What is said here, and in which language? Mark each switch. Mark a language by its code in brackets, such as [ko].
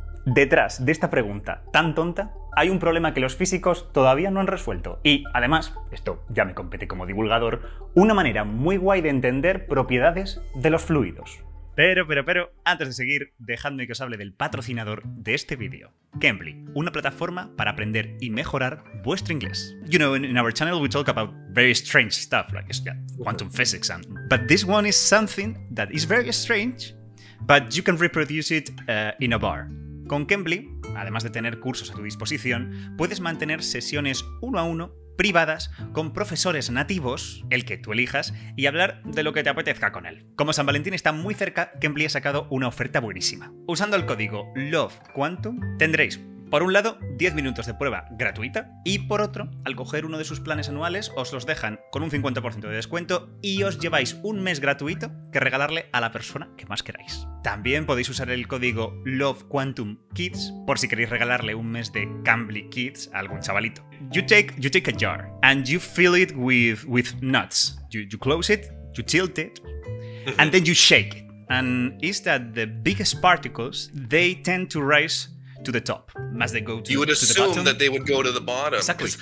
[es] Detrás de esta pregunta tan tonta, hay un problema que los físicos todavía no han resuelto. Y, además, esto ya me compete como divulgador, una manera muy guay de entender propiedades de los fluidos. Pero, antes de seguir, dejadme que os hable del patrocinador de este vídeo. Cambly, una plataforma para aprender y mejorar vuestro inglés. [en] You know, in our channel we talk about very strange stuff, like quantum physics and... But this one is something that is very strange, but you can reproduce it in a bar. [es] Con Cambly, además de tener cursos a tu disposición, puedes mantener sesiones uno a uno, privadas, con profesores nativos, el que tú elijas, y hablar de lo que te apetezca con él. Como San Valentín está muy cerca, Cambly ha sacado una oferta buenísima. Usando el código LOVEQUANTUM tendréis, por un lado, 10 minutos de prueba gratuita, y por otro, al coger uno de sus planes anuales, os los dejan con un 50% de descuento y os lleváis un mes gratuito que regalarle a la persona que más queráis. También podéis usar el código LOVEQUANTUMKIDS por si queréis regalarle un mes de Cambly Kids a algún chavalito. [en] You take a jar and you fill it with nuts. You close it, you tilt it, and then you shake it. And it's that the biggest particles, they tend to rise to the top as they go to the bottom. You would assume that they would go to the bottom. Exactly.